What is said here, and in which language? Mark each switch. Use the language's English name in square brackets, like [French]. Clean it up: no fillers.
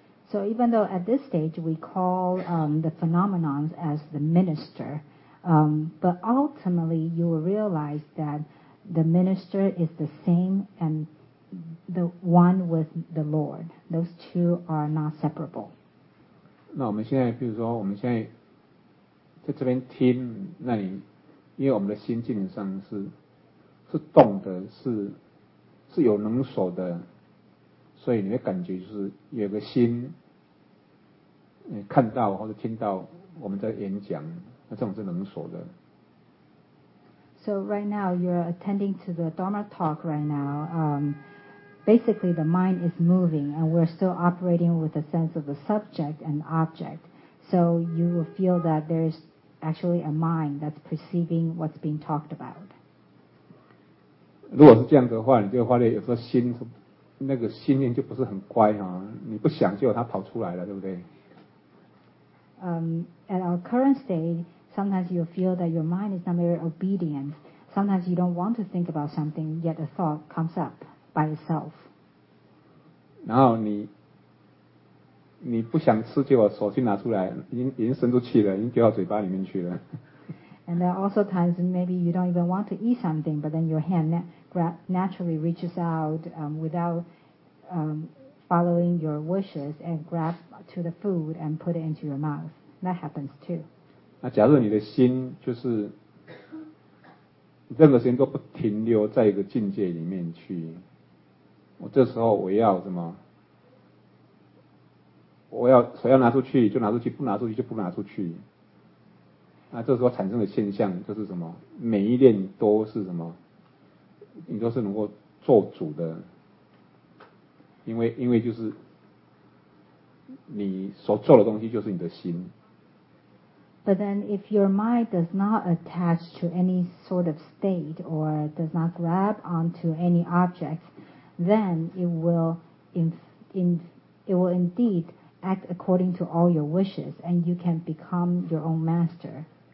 [English] So even though at this stage we call the phenomenon as the minister, but ultimately you will realize that the minister is the same and the one with the Lord. Those two are not separable. [Chinese] 那我们现在，比如说我们现在。在这边听，那你因为我们的心境上是动的，是有能手的，所以你会感觉就是有个心，看到或者听到我们在演讲，那这种是能手的。 [English] So right now you're attending to the Dharma talk right now. Basically, the mind is moving, and we're still operating with a sense of the subject and object. So you will feel that there's actually a mind that's perceiving what's being talked about. [Chinese] 如果是这样的话，你就发现有时候心那个心念就不是很乖哈，你不想就它跑出来了，对不对？ [English] At our current state, sometimes you feel that your mind is not very obedient. Sometimes you don't want to think about something, yet a thought comes up by itself. [Chinese] 然后你不想吃，结果手去拿出来，已经伸出去了，已经丢到嘴巴里面去了。 [English] And there are also times maybe you don't even want to eat something, but then your hand naturally reaches out without following your wishes and grab to the food and put it into your mouth. That happens too. [Chinese] 那假如你的心就是任何时间都不停留在一个境界里面去，我这时候我要什么？我要所要拿出去就拿出去，不拿出去就不拿出去。那这时候产生的现象就是什么？每一念都是什么？你都是能够做主的，因为就是你所做的东西就是你的心。 [English] But then if your mind does not attach to any sort of state or does not grab onto any objects, then it will indeed act according to all your wishes and you can become your own master.